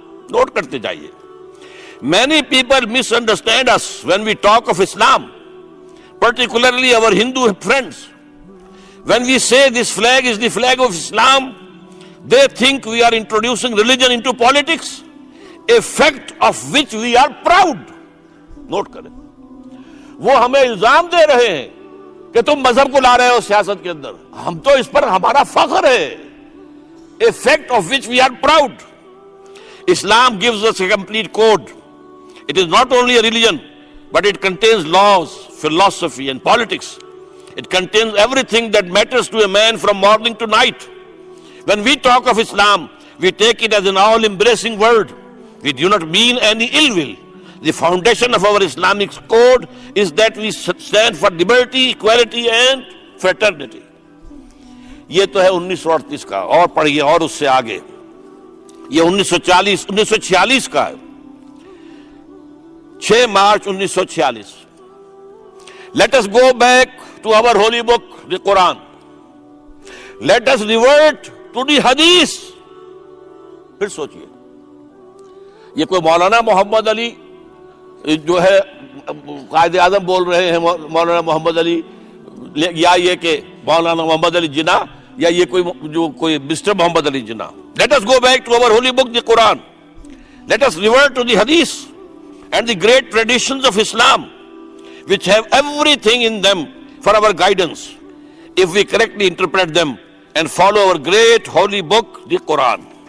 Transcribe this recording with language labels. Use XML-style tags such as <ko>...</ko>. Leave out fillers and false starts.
<ur>Note کرتے جائیے,</ur> <en>Many people miss understand us when we talk of Islam particularly اور ہندو friends, when we سے دس flag is the flag of Islam they think we are introducing religion in to politics a fact of which we are proud.</en> <ur>Note کریں, وہ ہمیں الزام دے رہے ہیں کہ تم مذہب کو لا رہے ہو سیاست کے اندر, ہم تو اس پر ہمارا فخر ہے,</ur> <en>A fact of which we are proud. Islam gives us a complete code, it is not only a religion but it contains laws philosophy and politics, it contains everything that matters to a man from morning to night. When we talk of Islam, we take it as an all-embracing word. We do not mean any ill will. The foundation of our Islamic code is that we stand for liberty, equality and fraternity.</en> <ur>یہ تو ہے 1938 کا, اور پڑھیے اور اس سے آگے, یہ 1946 کا ہے, 6 March 1946.</ur> <en>Let us go back to our holy book, the Quran. Let us revert to the حدیث.</en> <ur>پھر سوچئے, یہ کوئی مولانا محمد علی جو ہے قائد اعظم بول رہے ہیں مولانا محمد علی, یا یہ کہ مولانا محمد علی جناح, یا یہ کوئی جو کوئی mister Muhammad Ali Jinnah.</ur> <en>Let us go back to our holy book the Quran, let us revert to the حدیث and the great traditions of Islam which have everything in them for our guidance if we correctly interpret them and follow our great holy book the Quran.</en>